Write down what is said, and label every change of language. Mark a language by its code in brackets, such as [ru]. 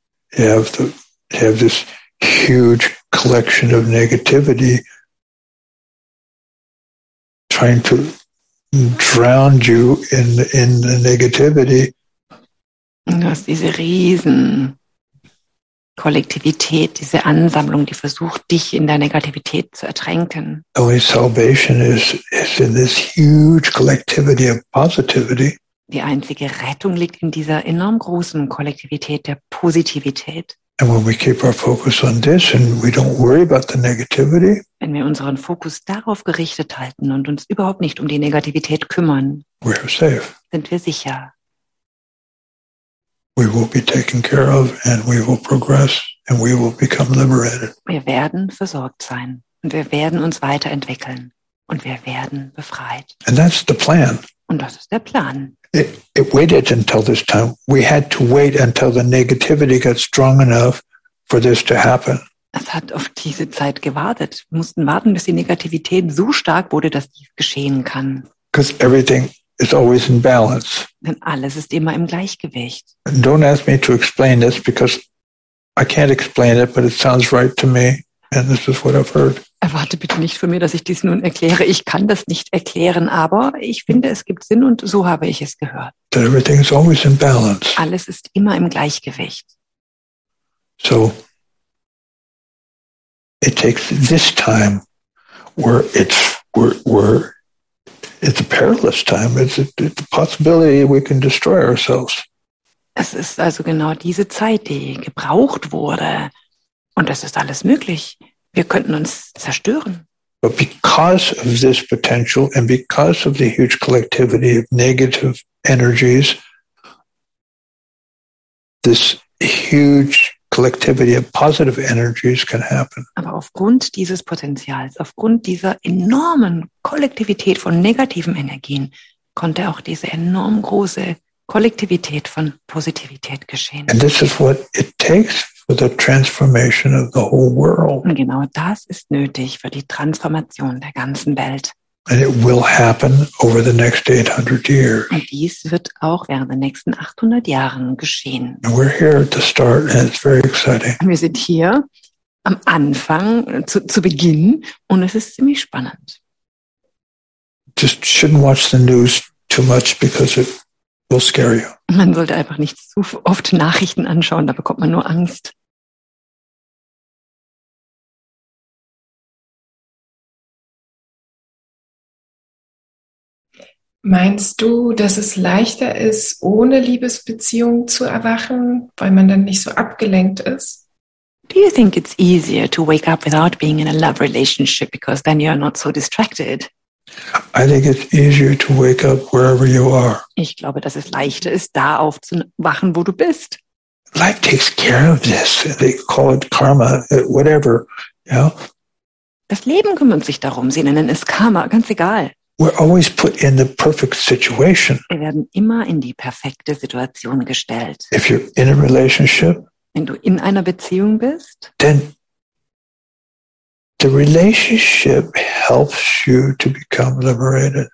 [en] You have this huge collection of negativity trying to drown you in the negativity. [de] Du hast diese riesen Kollektivität, diese Ansammlung, die versucht, dich in der Negativität zu ertränken. [en] Only salvation is in this huge collectivity of positivity. [de] Die einzige Rettung liegt in dieser enorm großen Kollektivität der Positivität. [en] And when we keep our focus on this and we don't worry about the negativity, [de] wenn wir unseren Fokus darauf gerichtet halten und uns überhaupt nicht um die Negativität kümmern, [en] we are safe. [de] Sind wir sicher. [en] We will be taken care of and we will progress and we will become liberated. [de] Wir werden versorgt sein und wir werden uns weiterentwickeln und wir werden befreit. [en] And that's the plan. [de] Und das ist der Plan. [en] It waited until this time. We had to wait until the negativity got strong enough for this to happen. [de] Es hat auf diese Zeit gewartet. Wir mussten warten, bis die Negativität so stark wurde, dass dies geschehen kann. [en] Because everything is always in balance. [de] Denn alles ist immer im Gleichgewicht. [en] And don't ask me to explain this because I can't explain it, but it sounds right to me. And this is what I've heard. [de] Erwarte bitte nicht von mir, dass ich dies nun erkläre. Ich kann das nicht erklären, aber ich finde, es gibt Sinn und so habe ich es gehört. [en] That everything is always in balance. [de] Alles ist immer im Gleichgewicht. [en] So, it takes this time where it's a perilous time. It's a possibility we can destroy ourselves. [de] Es ist also genau diese Zeit, die gebraucht wurde. Und das ist alles möglich. Wir könnten uns zerstören. [en] But because of this potential and because of the huge collectivity of negative energies, this huge collectivity of positive energies can happen. [de] Aber aufgrund dieses Potenzials, aufgrund dieser enormen Kollektivität von negativen Energien, konnte auch diese enorm große Kollektivität von Positivität geschehen. [en] And this is what it takes. For the transformation of the whole world. [de] Und genau das ist nötig für die Transformation der ganzen Welt. [en] And it will happen over the next 800 years. [de] Und dies wird auch während der nächsten 800 Jahren geschehen. [en] And we're here at the start, and it's very exciting. [de] Und wir sind hier am Anfang, zu Beginn, und es ist ziemlich spannend. [en] Just shouldn't watch the news too much because it will scare you. [de] Man sollte einfach nicht zu oft Nachrichten anschauen, da bekommt man nur Angst. Meinst du, dass es leichter ist, ohne Liebesbeziehung zu erwachen, weil man dann nicht so abgelenkt ist? [en] Do you think it's easier to wake up without being in a love relationship because then you're not so distracted? I think it's easier to wake up wherever you are. [de] Ich glaube, dass es leichter ist, da aufzuwachen, wo du bist. [en] Life takes care of this. They call it karma, whatever, you know? [de] Das Leben kümmert sich darum. Sie nennen es Karma, ganz egal. [en] We're always put in the perfect situation. [de] Wir werden immer in die perfekte Situation gestellt. [en] If you're in a relationship, [de] wenn du in einer Beziehung bist, [en] then the relationship helps you to become liberated.